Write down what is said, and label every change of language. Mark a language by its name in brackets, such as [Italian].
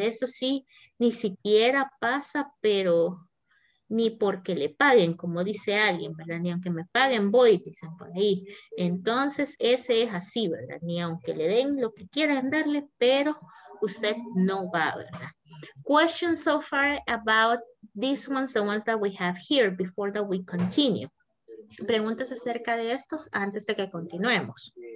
[Spanish] Eso sí, ni siquiera pasa, pero ni porque le paguen, como dice alguien, ¿verdad? Ni aunque me paguen, voy, dicen por ahí. Entonces, ese es así, ¿verdad? Ni aunque le den lo que quieran darle, pero usted no va, ¿verdad? [English] Questions so far about these ones, the ones that we have here, before that we continue. [Spanish] Preguntas acerca de estos antes de que continuemos.